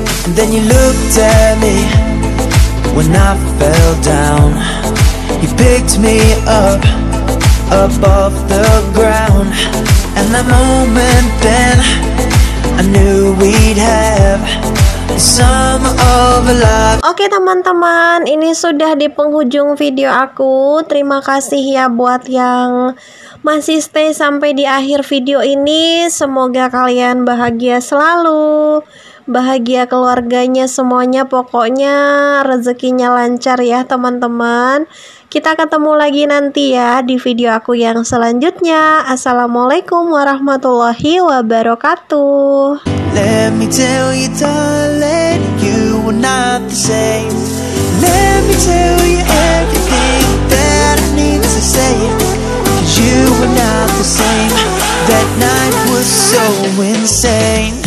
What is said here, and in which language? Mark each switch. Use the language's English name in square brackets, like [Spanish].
[English] And then you looked at me when I fell down. You picked me up above the ground. And that moment then I knew we'd have some of our love. [Indonesian] Oke teman-teman, ini sudah di penghujung video aku. Terima kasih ya buat yang masih stay sampai di akhir video ini. Semoga kalian bahagia selalu, bahagia keluarganya semuanya, pokoknya rezekinya lancar ya teman-teman. Kita ketemu lagi nanti ya di video aku yang selanjutnya. [Arabic] Assalamualaikum warahmatullahi wabarakatuh. [English] Let me tell you darling, you were not the same. Let me tell you everything that I need to say, 'cause you were not the same. That night was so insane.